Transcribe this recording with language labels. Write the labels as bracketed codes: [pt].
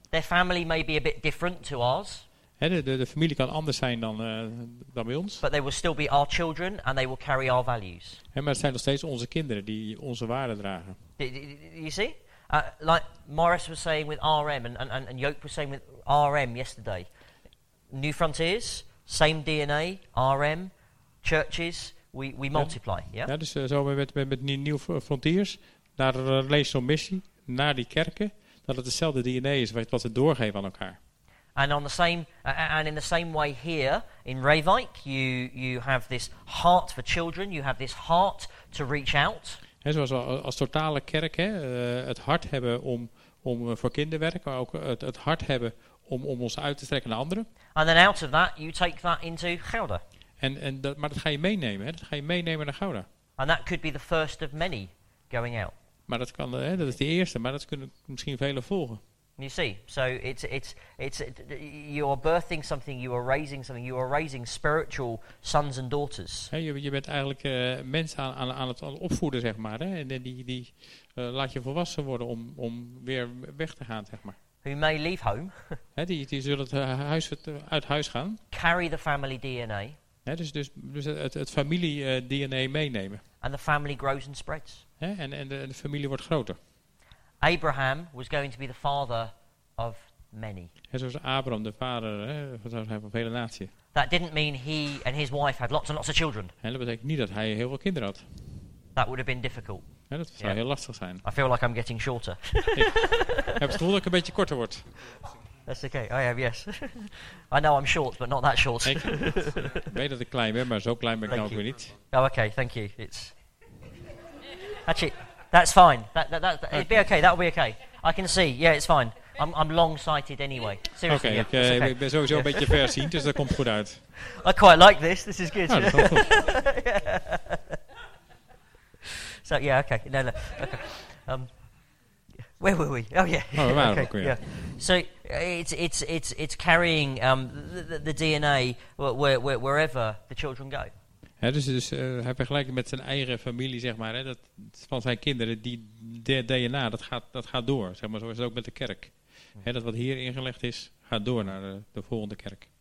[en] Their family may be a bit different to ours. [nl] De familie kan anders zijn dan bij ons. [en] But they will still be our children and they will carry our values. [nl] Maar het zijn nog steeds onze kinderen die onze waarden dragen. [en] You see? Like Morris was saying with RM and Joke was saying with RM yesterday. New Frontiers, same DNA, RM, churches, we multiply. Yeah? [nl] Ja, dus zo met New Frontiers, naar de relational missie, naar die kerken. Dat het hetzelfde DNA is wat ze doorgeven aan elkaar. [en] And on the same and in the same way here in Reykjavik, you have this heart for children, you have this heart to reach out. [nl] En zoals we als totale kerk het hart hebben om voor kinderwerk, maar ook het hart hebben om ons uit te trekken naar anderen. [en] And then out of that you take that into Gouda. [nl] Maar dat ga je meenemen, hè? Dat ga je meenemen naar Gouda. [en] And that could be the first of many going out. [nl] Maar dat kan, dat is de eerste, maar dat kunnen misschien velen volgen. [en] You see, so it's you are birthing something, you are raising spiritual sons and daughters. [nl] Je bent eigenlijk mensen aan het opvoeden, zeg maar, hè? En die laat je volwassen worden om weer weg te gaan, zeg maar. [en] Who may leave home? [nl] die zullen uit huis gaan. [en] Carry the family DNA. [nl] Dus het familie DNA meenemen. [en] And the family grows and spreads. [nl] En de familie wordt groter. [en] Abraham was going to be the father of many. [nl] Zoals Abraham de vader van vele naties. [en] That didn't mean he and his wife had lots and lots of children. [nl] En dat betekent niet dat hij heel veel kinderen had. [en] That would have been difficult. [nl] Dat zou heel lastig zijn. [en] I feel like I'm getting shorter. [nl] Ik heb het gevoel dat ik een beetje korter word. [en] That's okay. I have yes. I know I'm short, but not that short. [nl] Ik weet dat ik klein ben, maar zo klein ben ik nou ook weer niet. [en] Oh, okay. Thank you. It's actually, that's fine. That it'll be okay. That'll be okay. I can see. Yeah, it's fine. I'm long-sighted anyway. Seriously. Okay, yeah, okay. [nl] Ik ben sowieso een beetje verziend, dus dat komt goed uit. [en] I quite like this. This is good. [nl] Ja, dat is goed. [en] Yeah. So yeah, okay. No, okay. Where were we? Oh yeah. [nl] Oh, we waren ook weer. [en] So it's carrying the DNA wherever the children go. [nl] Ja, dus hij vergelijkt met zijn eigen familie, zeg maar, hè, dat van zijn kinderen, die DNA, dat gaat door. Zeg maar, zo is het ook met de kerk. Hè, dat wat hier ingelegd is, gaat door naar de volgende kerk.